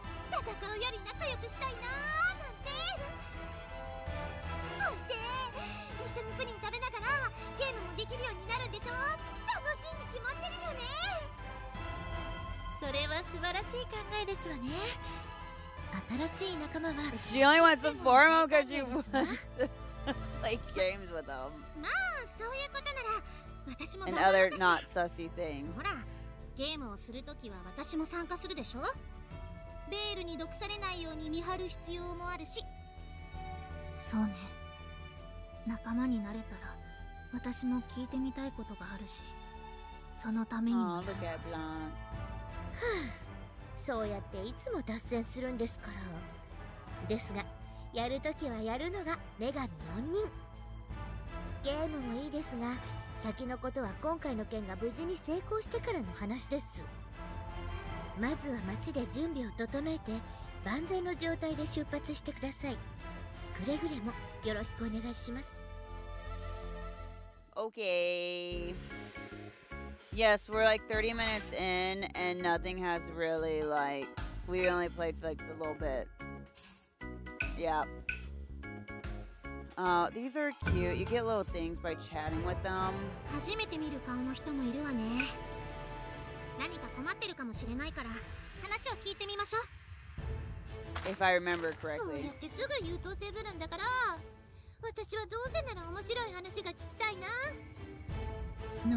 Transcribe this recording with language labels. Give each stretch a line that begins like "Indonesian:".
Japanese: 戦うより仲良くしたいな。一緒にプリン食べながらゲームもできるようになるんでしょ。楽しいに決まってるよね。それは素晴らしい考えですわね。新しい仲間は
English: She only wants the form of because she wants play games with them.
Japanese: まあそういうことなら私も
English: And other not sussy things.
Japanese: ほらゲームをするときは私も参加するでしょ。ベールに毒されないように見張る必要もあるし。そうね、仲間になれたら私も聞いてみたいことがあるし、そのためにも。はあ、そうやっていつも脱線するんですから。ですがやるときはやるのが女神四人。ゲームもいいですが、先のことは今回の件が無事に成功してからの話です。まずは町で準備を整えて万全の状態で出発してください。くれぐれもよろしくお願いします。
English: OK Yes, we're like 30 minutes in and nothing has really like we only played for like a little bit. Yeah. These are cute. You get little things by chatting with them.
Japanese: 初めて見る顔の人もいるわね。何か困ってるかもしれないから話を聞いてみましょう。
English: If I remember correctly.
Japanese: そうやってすぐ優等生ぶるんだから、私はどうせなら面白い話が聞きたいな。